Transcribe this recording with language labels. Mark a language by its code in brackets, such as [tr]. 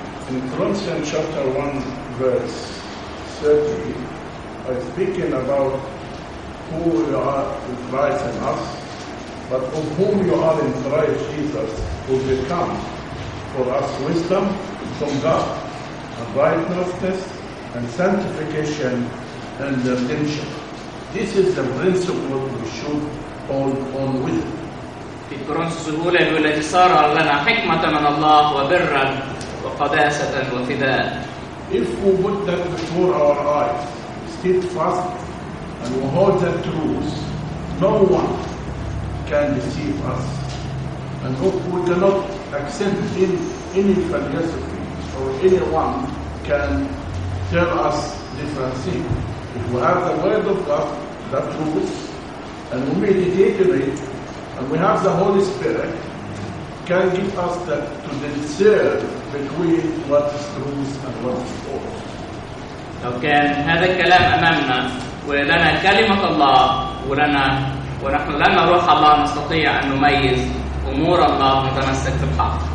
[en] In Corinthians chapter 1, verse 30, I speaking about who you are in Christ in us, but of whom you are in Christ Jesus, who become for us wisdom from God, a brightness and sanctification and redemption. This is the principle we should hold on with. [ar] في كورنثوس الأولى يقول الذي صار لنا حكمة من الله وبرا وقداسة وفداء. [en] If we put that before our eyes, steadfast, and we hold that truth, no one can deceive us. And if we do not accept in any philosophy or anyone can tell us different things. If we have the word of God, that truth, and we meditate in it, and we have the Holy Spirit, guiding us that to discern between what is truth and what is false. [ar] Okay, هذا الكلام أمامنا ولنا كلمة الله ولنا ونحن لنا روح الله نستطيع أن نميز أمور الله متمسك بالحق.